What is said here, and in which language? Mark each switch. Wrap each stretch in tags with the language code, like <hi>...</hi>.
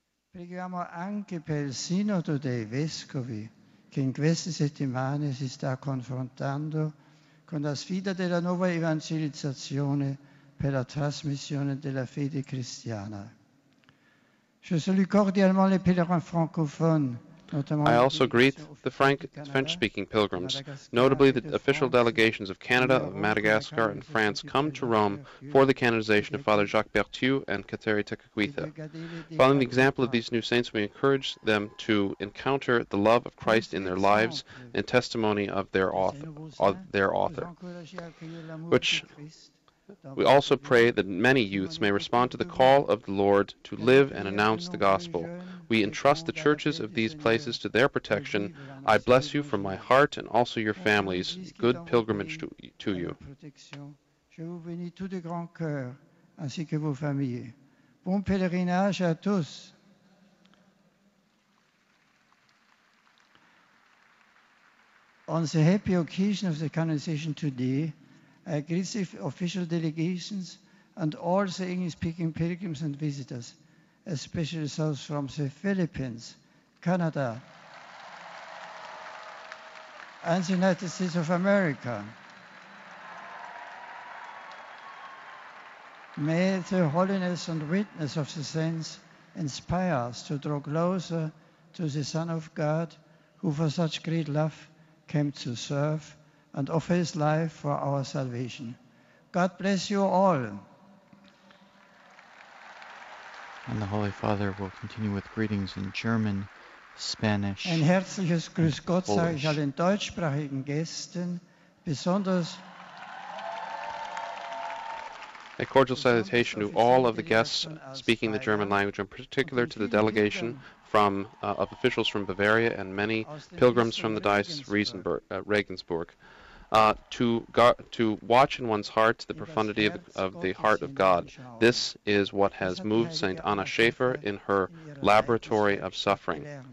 <it>Preghiamo anche per il Sinodo dei Vescovi, che in queste settimane si sta confrontando con la sfida della nuova evangelizzazione per la trasmissione della fede cristiana.</it> <fr>Je salue cordialement les pèlerins francophones.</fr> <en>I also greet the French-speaking pilgrims, notably the official delegations of Canada, of Madagascar, and France, come to Rome for the canonization of Father Jacques Berthieu and Kateri Tekakwitha. Following the example of these new saints, we encourage them to encounter the love of Christ in their lives and testimony of their author, which we also pray that many youths may respond to the call of the Lord to live and announce the gospel. We entrust the churches of these places to their protection. I bless you from my heart and also your families. Good pilgrimage to you.</en> <fr>Je vous bénis tout de grand cœur, ainsi que vos familles. Bon pèlerinage à tous.</fr> <en>On the happy occasion of the canonization today, I greet the official delegations and all the English-speaking pilgrims and visitors, especially those from the Philippines, Canada, and the United States of America. May the holiness and witness of the saints inspire us to draw closer to the Son of God, who for such great love came to serve and offer his life for our salvation. God bless you all. And the Holy Father will continue with greetings in German, Spanish.</en> <de>Ein herzliches Grüß Gott sage ich allen deutschsprachigen Gästen, besonders.</de> <en>A cordial salutation to all of the guests speaking the German language, in particular to the delegation from of officials from Bavaria and many pilgrims from the Diocese of Regensburg. To watch in one's heart the profundity of the heart of God, this is what has moved Saint Anna Schaefer in her laboratory of suffering.</en>